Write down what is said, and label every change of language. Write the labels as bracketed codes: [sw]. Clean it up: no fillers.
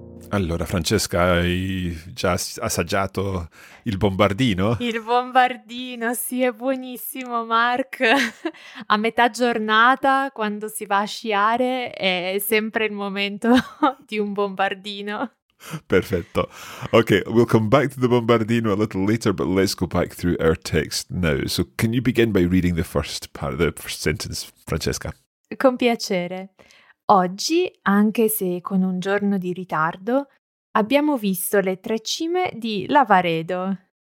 [it] Allora, Francesca, hai già assaggiato il bombardino? Il bombardino, sì, è buonissimo, Mark. A metà giornata, quando si va a sciare, è sempre il momento di un bombardino. Perfetto. [en] Ok, we'll come back to the bombardino a little later, but let's go back through our text now. So, can you begin by reading the first part, the first sentence, Francesca? [it] Con piacere. Oggi, anche se con un giorno di ritardo, abbiamo visto le tre cime di Lavaredo.